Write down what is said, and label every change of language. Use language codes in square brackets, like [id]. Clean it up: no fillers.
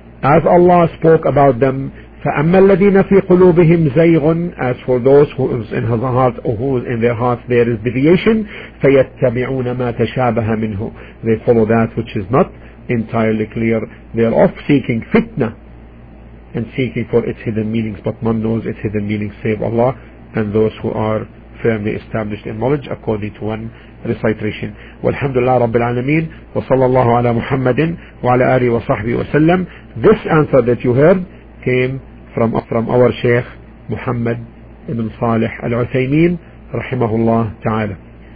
[en] As Allah spoke about them, [ar] فَأَمَّا الَّذِينَ فِي قُلُوبِهِمْ زَيْغٌ, [en] as for those who in their hearts there is deviation, [ar] فَيَتَّبِعُونَ مَا تَشَابَهَ مِنْهُ, [en] they follow that which is not entirely clear thereof, seeking fitna and seeking for its hidden meanings, but none knows its hidden meanings save Allah and those who are firmly established in knowledge, according to one recitation. [ar] والحمد لله رب العالمين وصلى الله على محمد وعلى آله وصحبه وسلم. [en] This answer that you heard came from our Sheikh Muhammad ibn Salih al-Uthaymeen رحمه الله تعالى.